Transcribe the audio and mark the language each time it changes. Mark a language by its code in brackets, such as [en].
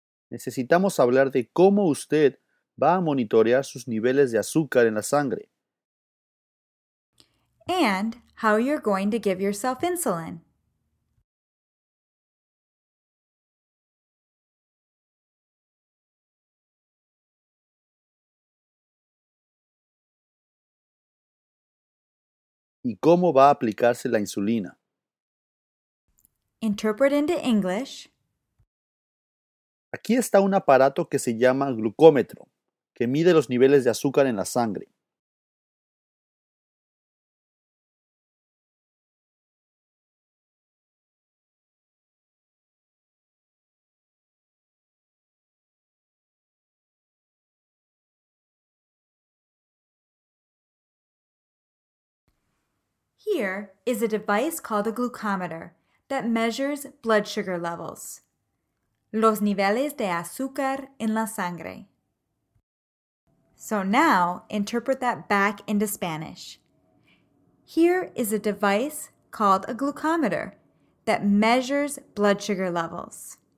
[es] Necesitamos hablar de cómo usted va a monitorear sus niveles de azúcar en la sangre. [en] And how you're going to give yourself insulin. [es] Y cómo va a aplicarse la insulina. [en] Interpret into English. [es] Aquí está un aparato que se llama glucómetro, que mide los niveles de azúcar en la sangre. [en] Here is a device called a glucometer that measures blood sugar levels. [es] Los niveles de azúcar en la sangre. [en] So now, interpret that back into Spanish. Here is a device called a glucometer that measures blood sugar levels.